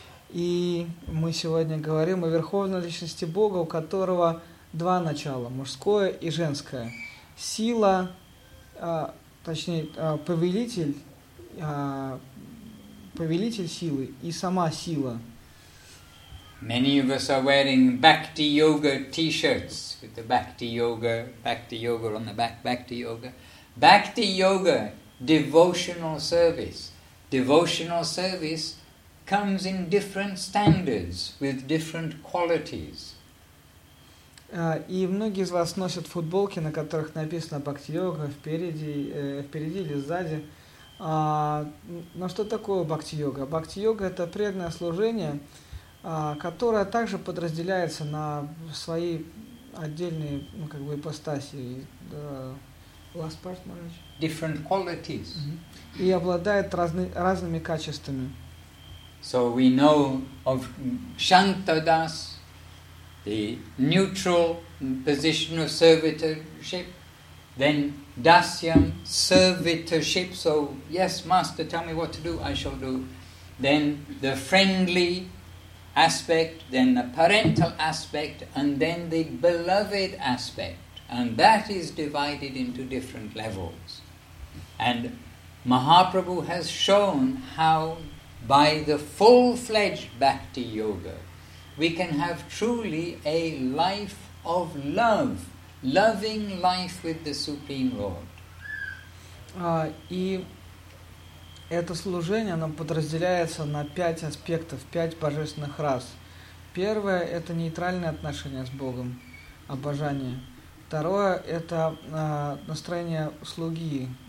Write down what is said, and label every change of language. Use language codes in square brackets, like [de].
[ru] И мы сегодня говорим о Верховной Личности Бога, у которого два начала, мужское и женское. Сила, точнее, повелитель силы и сама сила. [en] Many of us are wearing Bhakti Yoga t-shirts with the Bhakti Yoga on the back, Bhakti Yoga. Bhakti Yoga, devotional service. Devotional service comes in different standards with different qualities. [ru] И многие из вас носят футболки, на которых написано «Бхакти-йога» впереди или сзади. Но что такое бхакти-йога? Бхакти-йога – это преданное служение, которое также подразделяется на свои отдельные, ну, как бы, ипостаси. [en] Last part, Maharaj? Different qualities. [ru] И обладает разными качествами. [en] So we know of Shantadas, the neutral position of servitorship, then dasyam, servitorship, so yes, master, tell me what to do, I shall do. Then the friendly aspect, then the parental aspect, and then the beloved aspect. And that is divided into different levels. And Mahaprabhu has shown how by the full-fledged Bhakti Yoga, we can have truly a life of love, loving life with the Supreme Lord. [ru] И это служение, оно подразделяется на пять аспектов, пять божественных рас. Первое – это нейтральное отношение с Богом, обожание. Второе – это настроение слуги.